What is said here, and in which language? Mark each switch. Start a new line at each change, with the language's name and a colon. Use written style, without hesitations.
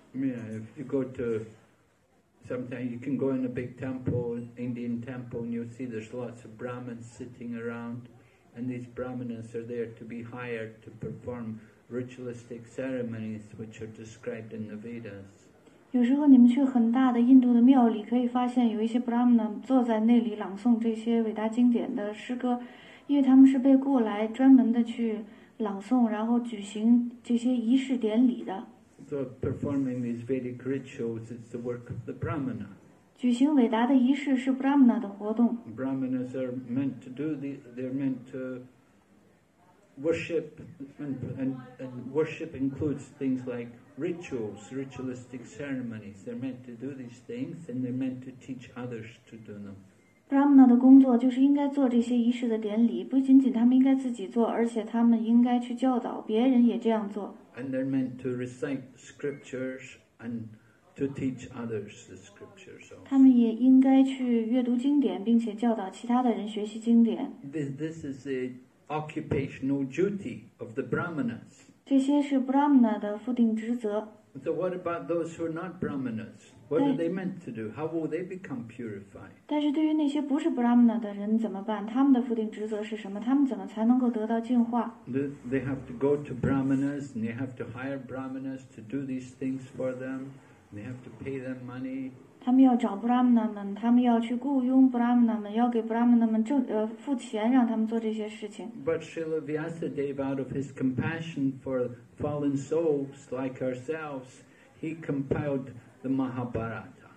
English: Yeah, if you go to, sometimes you can go in a big temple, Indian temple, and you'll see there's lots of Brahmins sitting around, and these Brahmanas are there to be hired to perform ritualistic ceremonies which are described in the Vedas.
Chinese: 有时候你们去很大的印度的庙里，可以发现有一些 Brahmana 坐在那里朗诵这些伟大经典的诗歌，因为他们是被雇来专门的去朗诵，然后举行这些仪式典礼的。
English: So performing these Vedic rituals is the work of the Brahmana.
Chinese: 举行伟大的仪式是 Brahmana 的活动。
English: Brahmanas are meant to do the, they're meant to worship, and worship includes things like rituals, ritualistic ceremonies. They're meant to do these things, and they're meant to teach others to do them.
Chinese: Brahmana 的工作就是应该做这些仪式的典礼，不仅仅他们应该自己做，而且他们应该去教导别人也这样做。
English: And they're meant to recite scriptures and to teach others the scriptures.
Chinese: 他们也应该去阅读经典，并且教导其他的人学习经典。
English: This is the occupational duty of the Brahmanas.
Chinese: 这些是 Brahmana 的附定职责。
English: So what about those who are not Brahmanas? What are they meant to do? How will they become purified?
Chinese: 但是对于那些不是 Brahmana 的人怎么办？他们的附定职责是什么？他们怎么才能够得到净化？
English: They have to go to Brahmanas, and they have to hire Brahmanas to do these things for them. They have to pay them money.
Chinese: 他们要找 Brahmana 们，他们要去雇佣 Brahmana 们，要给 Brahmana 们付钱，让他们做这些事情。
English: But Srila Vyasadeva, out of his compassion for fallen souls like ourselves, he compiled the Mahabharata.